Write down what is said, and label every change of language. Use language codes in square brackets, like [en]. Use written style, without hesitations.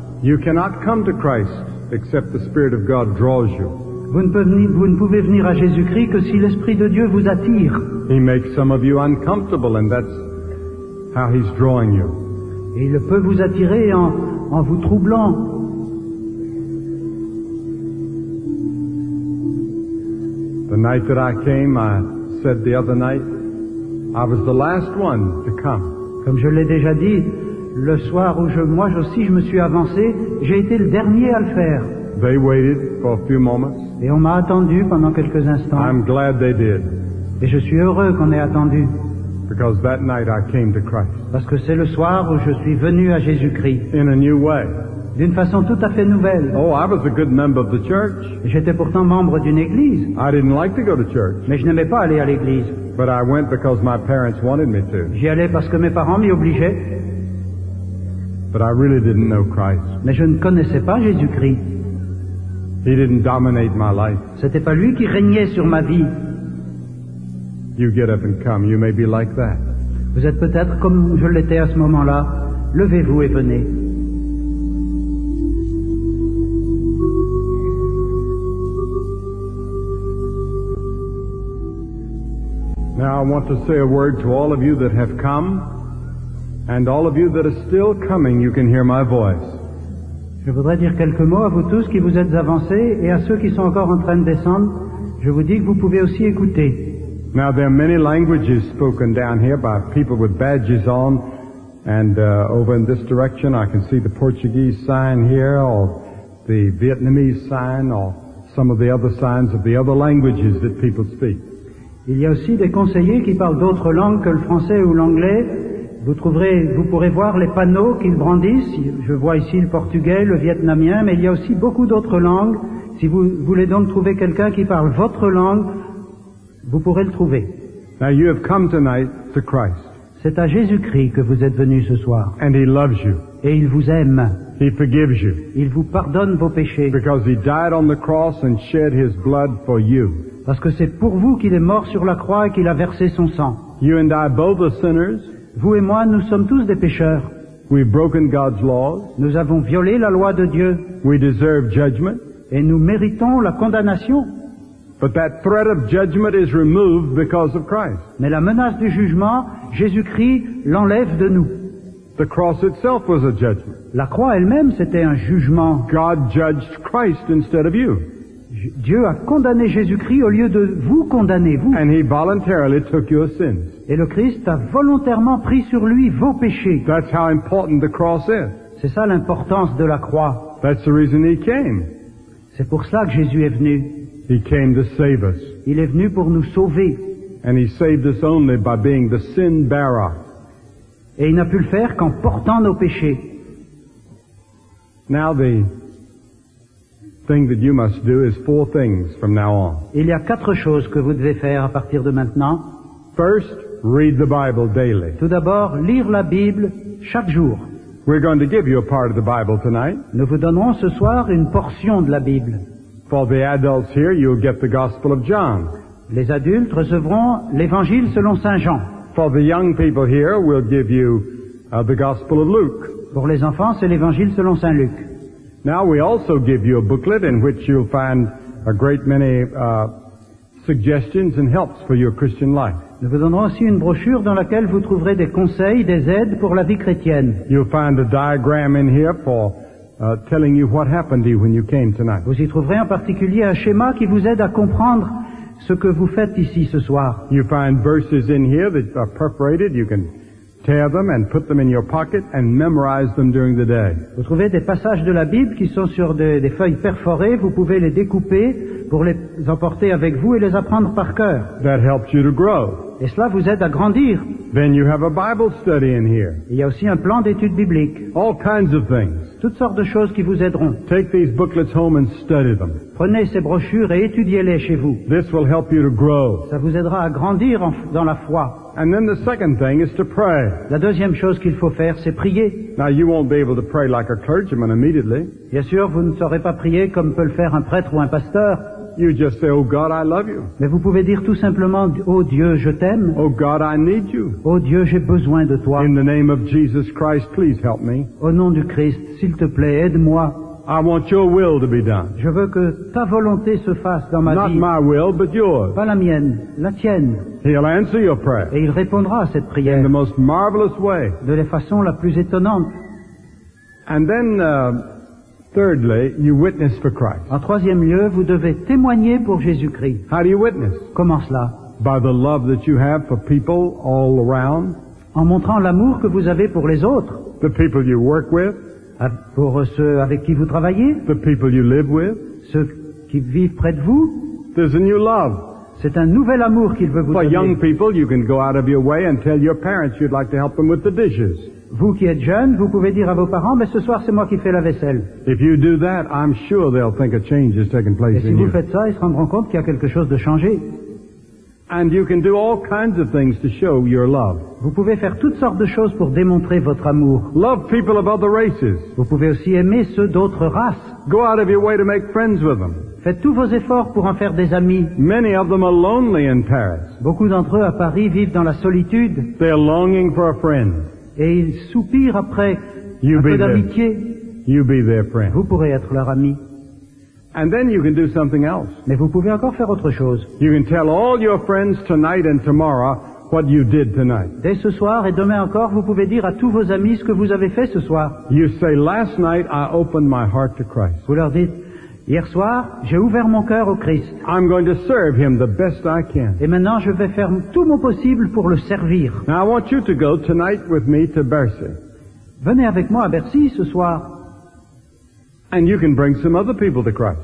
[en] You cannot come to Christ except the Spirit of God draws you. [fr] Vous ne pouvez venir à Jésus-Christ que si l'Esprit de Dieu vous attire. [en] He makes some of you uncomfortable, and that's how he's drawing you. [fr] Et il peut vous attirer en vous troublant. [en] The night that I came, I said the other night, I was the last one to come. [fr] Comme je l'ai déjà dit, le soir où je me suis avancé, j'ai été le dernier à le faire. [en] They waited for a few moments. [fr] Et on m'a attendu pendant quelques instants. [en] I'm glad they did. [fr] Et je suis heureux qu'on ait attendu. [en] Because that night I came to Christ. [fr] Parce que c'est le soir où je suis venu à Jésus-Christ. [en] In a new way. [fr] D'une façon tout à fait nouvelle. [en] Oh, I was a good member of the church. [fr] J'étais pourtant membre d'une église. [en] I didn't like to go to church. [fr] Mais je n'aimais pas aller à l'église. [en] But I went because my parents wanted me to. [fr] J'y allais parce que mes parents m'y obligeaient. [en] But I really didn't know Christ. [fr] Mais je ne connaissais pas Jésus-Christ. [en] He didn't dominate my life. [fr] C'était pas lui qui régnait sur ma vie. [en] You get up and come. You may be like that. [fr] Vous êtes peut-être comme je l'étais à ce moment-là. Levez-vous et venez. [en] Now I want to say a word to all of you that have come and all of you that are still coming, you can hear my voice. [fr] Je voudrais dire quelques mots à vous tous qui vous êtes avancés et à ceux qui sont encore en train de descendre. Je vous dis que vous pouvez aussi écouter. [en] Now there are many languages spoken down here by people with badges on, and over in this direction I can see the Portuguese sign here, or the Vietnamese sign, or some of the other signs of the other languages that people speak. [fr] Il y a aussi des conseillers qui parlent d'autres langues que le français ou l'anglais. Vous pourrez voir les panneaux qu'ils brandissent. Je vois ici le portugais, le vietnamien, mais il y a aussi beaucoup d'autres langues. Si vous voulez donc trouver quelqu'un qui parle votre langue, vous pourrez le trouver. [en] Now you have come tonight to Christ. [fr] C'est à Jésus-Christ que vous êtes venu ce soir. [en] And he loves you. [fr] Et il vous aime. [en] He forgives you. [fr] Il vous pardonne vos péchés. [en] Because he died on the cross and shed his blood for you. [fr] Parce que c'est pour vous qu'il est mort sur la croix et qu'il a versé son sang. [en] You and I both are sinners. [fr] Vous et moi, nous sommes tous des pécheurs. [en] We've broken God's laws. [fr] Nous avons violé la loi de Dieu. [en] We deserve judgment. [fr] Et nous méritons la condamnation. [en] But that threat of judgment is removed because of Christ. [fr] Mais la menace du jugement, Jésus-Christ l'enlève de nous. [en] The cross itself was a judgment. [fr] La croix elle-même, c'était un jugement. [en] God judged Christ instead of you. [fr] Dieu a condamné Jésus-Christ au lieu de vous condamner, vous. [en] And he voluntarily took your sins. [fr] Et le Christ a volontairement pris sur lui vos péchés. [en] That's how important the cross is. [fr] C'est ça l'importance de la croix. [en] That's the reason he came. [fr] C'est pour cela que Jésus est venu. [en] He came to save us. [fr] Il est venu pour nous sauver. [en] And he saved us only by being the sin bearer. [fr] Et il n'a pu le faire qu'en portant nos péchés. [en] Now the thing that you must do is four things from now on. [fr] Il y a quatre choses que vous devez faire à partir de maintenant. [en] First, read the Bible daily. [fr] Tout d'abord, lire la Bible chaque jour. [en] We're going to give you a part of the Bible tonight. [fr] Nous vous donnerons ce soir une portion de la Bible. [en] For the adults here, you'll get the Gospel of John. [fr] Les adultes recevront l'Évangile selon Saint Jean. [en] For the young people here, we'll give you the Gospel of Luke. [fr] Pour les enfants, c'est l'Évangile selon Saint Luc. [en] Now we also give you a booklet in which you'll find a great many suggestions and helps for your Christian life. [fr] Nous vous donnerons aussi une brochure dans laquelle vous trouverez des conseils, des aides pour la vie chrétienne. [en] You'll find a diagram in here for telling you what happened to you when you came tonight. [fr] Vous y trouverez en particulier un schéma qui vous aide à comprendre ce que vous faites ici ce soir. [en] You'll find verses in here that are perforated. You can tear them and put them in your pocket and memorize them during the day. [fr] Vous trouvez des passages de la Bible qui sont sur des feuilles perforées. Vous pouvez les découper pour les emporter avec vous et les apprendre par cœur. [en] That helps you to grow. [fr] Et cela vous aide à grandir. [en] Then you have a Bible study in here. [fr] Il y a aussi un plan d'études bibliques. [en] All kinds of things. [fr] Toutes sortes de choses qui vous aideront. [en] Take these booklets home and study them. [fr] Prenez ces brochures et étudiez-les chez vous. [en] This will help you to grow. [fr] Ça vous aidera à grandir dans la foi. [en] And then the second thing is to pray. [fr] La deuxième chose qu'il faut faire, c'est prier. [en] Now you won't be able to pray like a clergyman immediately. [fr] Bien sûr, vous ne saurez pas prier comme peut le faire un prêtre ou un pasteur. [en] You just say, "Oh God, I love you." [fr] Mais vous pouvez dire tout simplement, "Oh Dieu, je t'aime." [en] "Oh God, I need you." [fr] "Oh Dieu, j'ai besoin de toi." [en] "In the name of Jesus Christ, please help me." [fr] Au nom du Christ, s'il te plaît, aide-moi. [en] I want your will to be done. [fr] Je veux que ta volonté se fasse dans ma vie. [en] Not my will, but yours. [fr] Pas la mienne, la tienne. [en] He'll answer your prayer. [fr] Et il répondra à cette prière. [en] In the most marvelous way. [fr] De la façon la plus étonnante. [en] And then, thirdly, you witness for Christ. [fr] En troisième lieu, vous devez témoigner pour Jésus-Christ. [en] How do you witness? [fr] Comment cela? [en] By the love that you have for people all around. [fr] En montrant l'amour que vous avez pour les autres. [en] The people you work with. [fr] Pour ceux avec qui vous travaillez. [en] The people you live with. [fr] Ceux qui vivent près de vous. [en] There's a new love. [fr] C'est un nouvel amour qu'il veut vous [en] for [fr] donner. [en] For young people, you can go out of your way and tell your parents you'd like to help them with the dishes. [fr] Vous qui êtes jeune, vous pouvez dire à vos parents, mais ce soir c'est moi qui fais la vaisselle. [en] If you do that, I'm sure they'll think a change has taken place in you. [fr] Et si vous faites ça, ils se rendront compte qu'il y a quelque chose de changé. [en] And you can do all kinds of things to show your love. [fr] Vous pouvez faire toutes sortes de choses pour démontrer votre amour. [en] Love people of other races. [fr] Vous pouvez aussi aimer ceux d'autres races. [en] Go out of your way to make friends with them. [fr] Faites tous vos efforts pour en faire des amis. [en] Many of them are lonely in Paris. [fr] Beaucoup d'entre eux à Paris vivent dans la solitude. [en] They're longing for a friend. [fr] Et ils soupirent après [en] you [fr] un peu d'amitié. [en] You be their friend. [fr] Vous pourrez être leur ami. [en] And then you can do something else. [fr] Mais vous pouvez encore faire autre chose. [en] You can tell all your friends tonight and tomorrow what you did tonight. [fr] Dès ce soir et demain encore, vous pouvez dire à tous vos amis ce que vous avez fait ce soir. [en] You say, last night I opened my heart to Christ. [fr] Vous leur dites, hier soir, j'ai ouvert mon cœur au Christ. [en] I'm going to serve him the best I can. [fr] Et maintenant, je vais faire tout mon possible pour le servir. [en] Now I want you to go tonight with me to Bercy. [fr] Venez avec moi à Bercy ce soir. [en] And you can bring some other people to Christ.